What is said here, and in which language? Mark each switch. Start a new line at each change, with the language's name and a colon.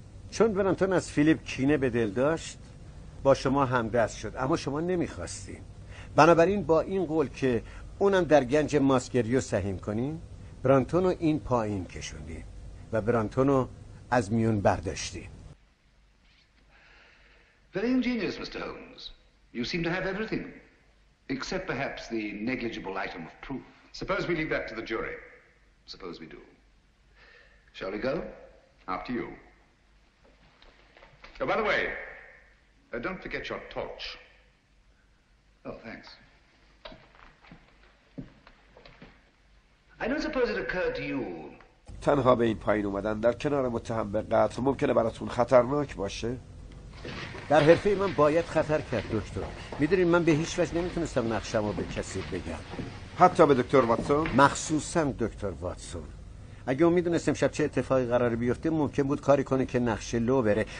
Persian: چون برانتون از فیلیپ کینه به دل داشت با شما همدست شد، اما شما نمیخواستین. بنابراین با این قول که اونم در گنج ماسکریو سهیم کنین، برانتونو این پایین کشوندیم و برانتونو از میون برداشتیم.
English: Very ingenious, Mr. Holmes. You seem to have everything. Except perhaps the negligible item of proof. Suppose we leave that to the jury. Suppose we do. Shall we go? Up to you. Oh, by the way, don't forget your torch. Oh, thanks. I don't suppose it occurred to you.
Persian: تنها به این پایین اومدن در کنار متهم به قتل ممکنه براتون خطرناک باشه؟ در حرفه من باید خطر کرد دکتر. میدونین من به هیچ وجه نمیتونستم نقشمو به کسی بگم. حتی به دکتر واتسون؟ مخصوصاً دکتر واتسون. اگه اون میدونستم شب چه اتفاقی قرار بیفته ممکن بود کاری کنه که نقشه لو بره.